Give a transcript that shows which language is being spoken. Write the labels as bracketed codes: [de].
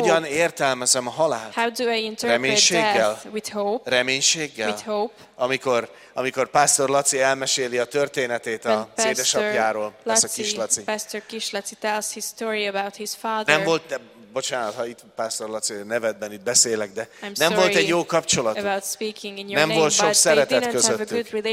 [hu] Hogyan értelmezem a halált? [en] How do I interpret [hu] reménységgel? [en] Death with hope? [hu] Reménységgel? [en] With hope? [hu] Amikor Pásztor Laci elmeséli a történetét a édesapjáról, ez a kis Laci. [en] Pastor Kis Laci tells his story about his father. [hu] Nem volt, bocsánat, ha itt Pásztor Laci nevedben itt beszélek, de [en] I'm [hu] nem volt egy jó kapcsolat. Nem volt sok szeretet közöttük.